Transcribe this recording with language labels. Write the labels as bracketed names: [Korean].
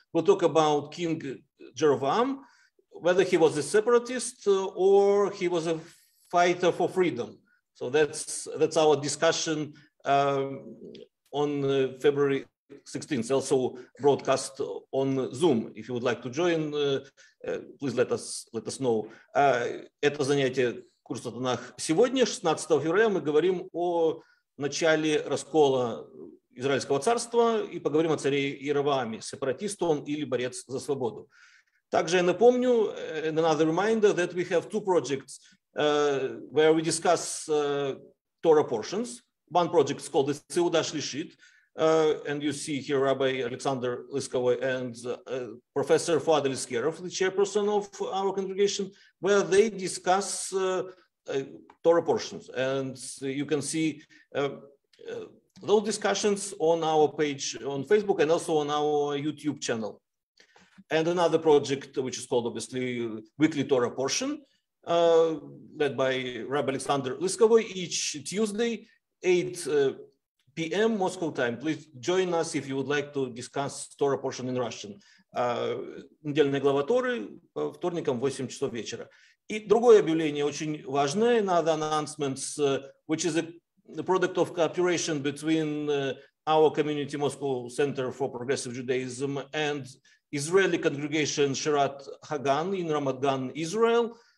[English] We'll talk about King Jeroboam, whether he was a separatist or he was a fighter for freedom. So that's our discussion on February 16th, also broadcast on Zoom. If you would like to join, please let us know. [Russian] Это занятие курса Танах сегодня, 16 февраля, мы говорим о начале раскола Израильского царства и поговорим о царе Иеровоаме, сепаратист он или борец за свободу. Также я напомню, [English] another reminder, that we have two projects where we discuss Torah portions. One project is called the Seuda Shlishit. And you see here Rabbi Alexander Liskovoy and Professor Fuad Eliskerov, the chairperson of our congregation, where they discuss Torah portions. And you can see those discussions on our page on Facebook and also on our YouTube channel. And another project, which is called obviously Weekly Torah Portion, led by Rabbi Alexander Liskovoy, each Tuesday, 8 p.m. Moscow time. Please join us if you would like to discuss Torah portion in Russian. [Russian] Недельная глава Торы по вторникам 8 часов вечера. И другое объявление очень важное, [English] another announcement, which is a product of cooperation between our community, Moscow Center for Progressive Judaism, and Israeli congregation Shirat Hagan in Ramat Gan, Israel.